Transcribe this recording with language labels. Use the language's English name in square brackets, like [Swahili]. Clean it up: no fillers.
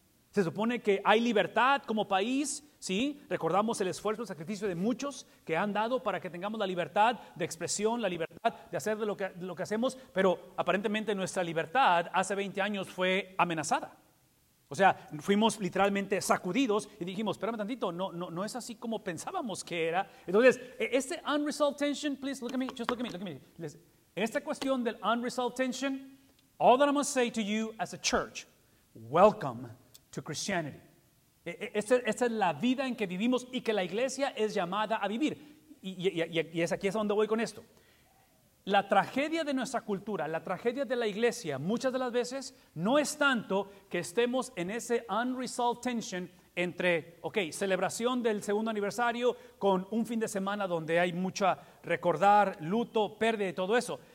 [Spanish] Se supone que hay libertad como país, ¿sí? Recordamos el esfuerzo, el sacrificio de muchos que han dado para que tengamos la libertad de expresión, la libertad de hacer lo que hacemos, pero aparentemente nuestra libertad hace 20 años fue amenazada. O sea, fuimos literalmente sacudidos y dijimos, espérame tantito, no es así como pensábamos que era. Entonces, este [English] unresolved tension, please look at me, just look at me. [Spanish] Esta cuestión del [English] unresolved tension, all that I must say to you as a church, welcome to Christianity. [Spanish] Esta es la vida en que vivimos y que la iglesia es llamada a vivir. Y es aquí es donde voy con esto. La tragedia de nuestra cultura, la tragedia de la iglesia, muchas de las veces, no es tanto que estemos en ese [English] unresolved tension [Spanish] entre, celebración del segundo aniversario con un fin de semana donde hay mucho a recordar, luto, pérdida y todo eso.